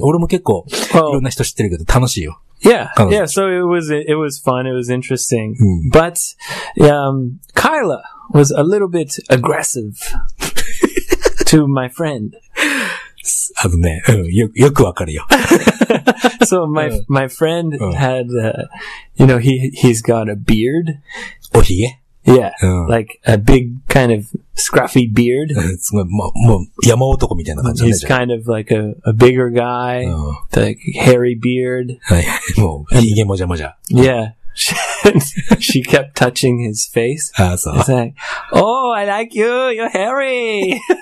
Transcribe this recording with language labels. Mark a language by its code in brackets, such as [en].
[ja] 俺も結構いろんな人知ってるけど楽しいよ。 [en] Yeah. So it was fun. It was interesting.、 [ja] うん、 [en] But, Kyla was a little bit aggressive to my friend. [ja] あのね、うん、よくわかるよ。 [en] So my friend had, you know, he's got a beard. [ja] おひげ? [en] Yeah, like a big kind of scruffy beard. [ja] すごい、もう山男みたいな感じ。 [en] He's kind of like a bigger guy, like hairy beard. [ja] はい、もうひげもじゃもじゃ。 [en] Yeah, she kept touching his face. [ja] あ、そう。 [en] It's like, oh, I like you, you're hairy!